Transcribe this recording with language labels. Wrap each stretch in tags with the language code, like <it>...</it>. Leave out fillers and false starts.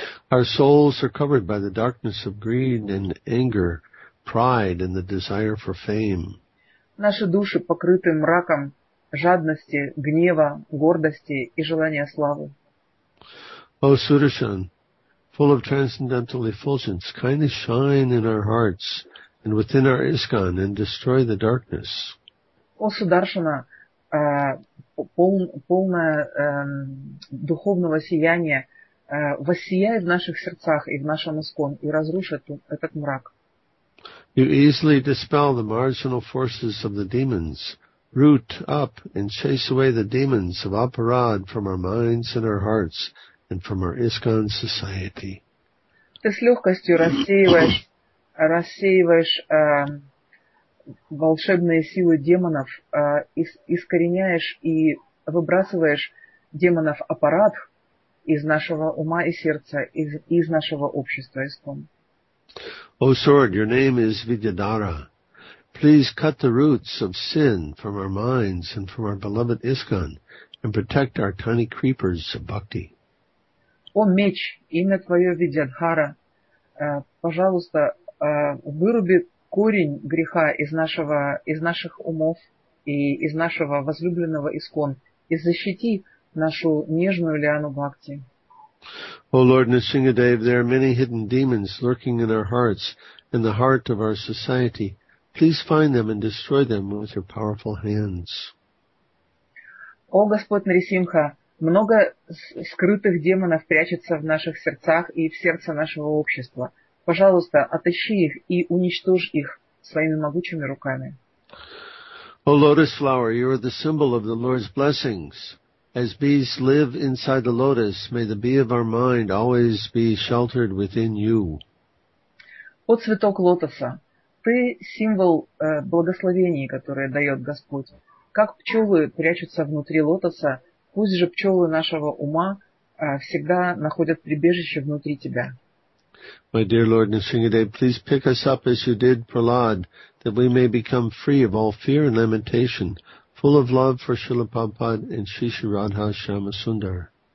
<en>Our souls are covered by the darkness of greed and anger, pride and the desire for fame.</en> <ru>Наши души покрыты мраком жадности, гнева, гордости и желания славы.</ru> <en>O Sudarshan, full of transcendental effulgence, kindly shine in our hearts and within our ISKCON and destroy the darkness.</en> <ru>O Sudarshana, полное духовного сияния, воссияет в наших сердцах и в нашем ISKCON и разрушит этот мрак.</ru> <en>You easily dispel the marginal forces of the demons, root up and chase away the demons of Aparad from our minds and our hearts. And from our ISKCON society.</en> <ru>Ты с легкостью рассеиваешь волшебные силы демонов, искореняешь и выбрасываешь демонов аппарат из нашего ума и сердца, из нашего общества ISKCON.</ru> <en>O sword, your name is Vidyadhara. Please cut the roots of sin from our minds and from our beloved ISKCON and protect our tiny creepers of bhakti.</en> <ru>О меч, имя твое Видядхара, пожалуйста, выруби корень греха из наших умов и из нашего возлюбленного ИСКОН и защити нашу нежную лиану бхакти.</ru> <en>О Lord Nrisingadev, there are many hidden demons lurking in our hearts, in the heart of our society. Please find them and destroy them with your powerful hands.</en> <ru>О Господь Нарисимха, много скрытых демонов прячется в наших сердцах и в сердце нашего общества. Пожалуйста, отыщи их и уничтожь их своими могучими руками.</ru> <en>O lotus flower, you are the symbol of the Lord's blessings. As bees live inside the lotus, may the bee of our mind always be sheltered within you.</en> <ru>О цветок лотоса, ты символ благословений, которые дает Господь. Как пчелы прячутся внутри лотоса, пусть же пчелы нашего ума всегда находят прибежище внутри тебя.</ru> <en>My dear Lord Nrisingadev, please pick us up as you did Prahlad, that we may become free of all fear and lamentation, full of love for Srila Prabhupada and Shri Radha Shyama Sundar.</en>